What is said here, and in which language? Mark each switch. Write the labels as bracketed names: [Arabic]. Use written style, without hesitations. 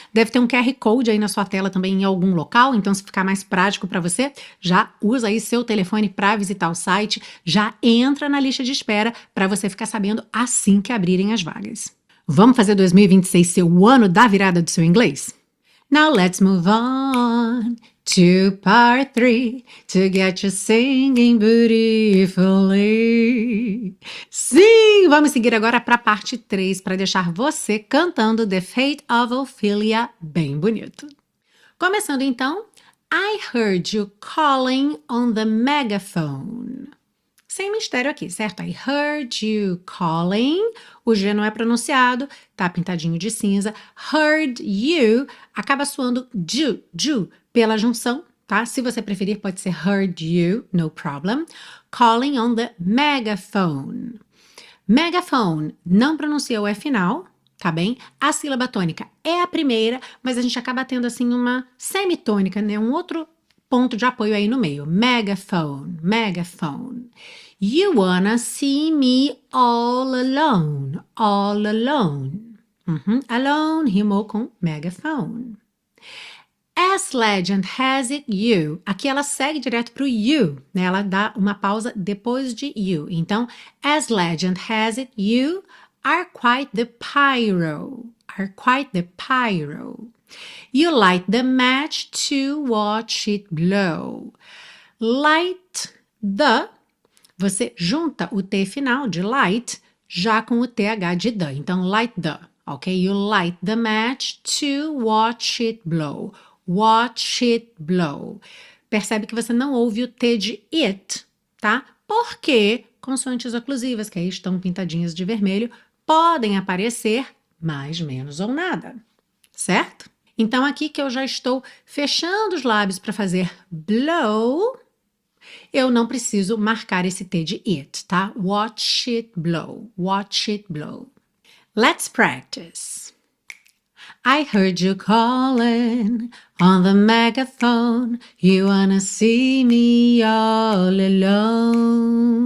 [Portuguese] Deve ter um QR Code aí na sua tela também em algum local, então se ficar mais prático para você, já usa aí seu telefone para visitar o site, já entra na lista de espera para você ficar sabendo assim que abrirem as vagas. Vamos fazer 2026 ser o ano da virada do seu inglês? [English] Now let's move on to part 3, to get you singing beautifully. [Portuguese] Sim, vamos seguir agora para a parte 3, para deixar você cantando The Fate of Ophelia bem bonito. Começando então, [English] I heard you calling on the megaphone. [Portuguese] Sem mistério aqui, certo? [English] I heard you calling, [Portuguese] o G não é pronunciado, tá pintadinho de cinza. Heard you, acaba soando ju, pela junção, tá? Se você preferir, pode ser heard you, [English] no problem. Calling on the megaphone. [Portuguese] Megaphone, não pronuncia o F final, tá bem? A sílaba tônica é a primeira, mas a gente acaba tendo assim uma semitônica, né? Um outro ponto de apoio aí no meio. [English] Megaphone, megaphone. You wanna see me all alone, all alone. Alone [Portuguese] rimou com [English] megaphone. As legend has it, you. [Portuguese] Aqui ela segue direto pro you, né? Ela dá uma pausa depois de you. [English] Então, as legend has it, you are quite the pyro. Are quite the pyro. You light the match to watch it blow. [Portuguese] Light the, você junta o T final de light já com o TH de the. [English] Então, light the, ok? You light the match to watch it blow. Watch it blow. [Portuguese] Percebe que você não ouve o T de it, tá? Porque consoantes oclusivas, que aí estão pintadinhas de vermelho, podem aparecer mais, menos ou nada, certo? Então, aqui que eu já estou fechando os lábios para fazer blow, eu não preciso marcar esse T de it, tá? [English] Watch it blow, watch it blow. Let's practice. I heard you calling on the megaphone. You wanna see me all alone.